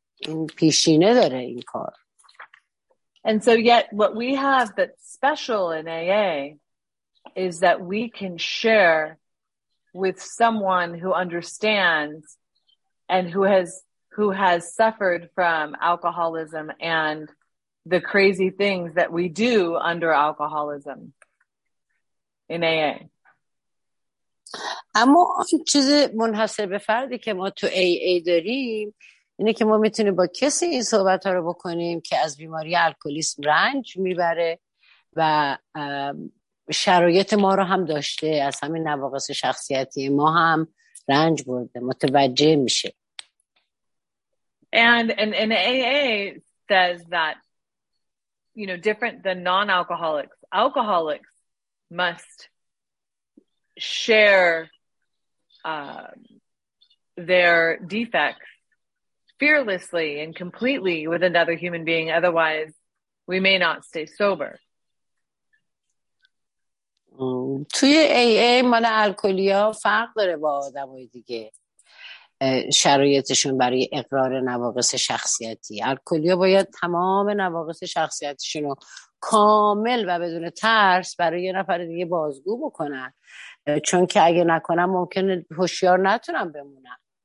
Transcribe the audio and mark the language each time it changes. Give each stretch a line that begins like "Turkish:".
Persian: این پیشینه داره این کار.
English: And so yet what we have that's special in AA is that we can share with someone who understands and who has suffered from alcoholism and the crazy things that we do under alcoholism in AA.
Persian: اما چیز منحصر به فردی که ما تو AA داریم اینه که ما میتونیم با کسی این صحبت ها رو بکنیم که از بیماری الکلیسم رنج میبره و شرایط ما رو هم داشته، از همین نواقص شخصیتی ما هم رنج برده، متوجه میشه.
English: And AA says that, you know, different than non-alcoholics, alcoholics must share their defects fearlessly and completely with another human being, otherwise we may not stay sober.
Persian: توی AA مال الکلیا فرق داره با آدمای دیگه شرایطشون برای اقرار نواقص شخصیتی. الکلیا باید تمام نواقص شخصیتشون رو کامل و بدون ترس برای یه نفر دیگه بازگو بکنن، چون که اگه نکنن ممکنه هوشیار نتونن بمونن.